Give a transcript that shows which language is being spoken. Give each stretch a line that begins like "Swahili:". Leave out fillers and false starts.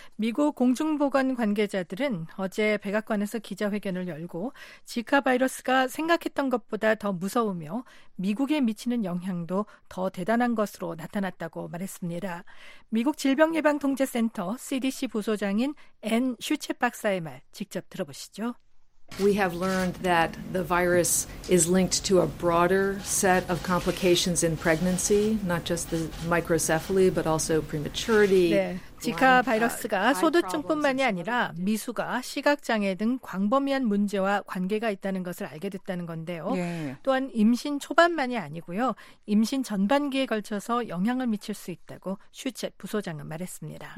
Korean: 미국 공중보건 관계자들은 어제 백악관에서 기자회견을 열고 지카 바이러스가 생각했던 것보다 더 무서우며 미국에 미치는 영향도 더 대단한 것으로 나타났다고 말했습니다. 미국 질병예방통제센터 CDC 부소장인 앤 슈체박사의 말 직접 들어보시죠.
English: We have learned that the virus is linked to a broader set of complications in pregnancy, not just the microcephaly, but also prematurity.
Korean: 네. 지카 바이러스가 소두증뿐만이 아니라 미수가 시각장애 등 광범위한 문제와 관계가 있다는 것을 알게 됐다는 건데요. 예. 또한 임신 초반만이 아니고요. 임신 전반기에 걸쳐서 영향을 미칠 수 있다고 슈체 부소장은 말했습니다.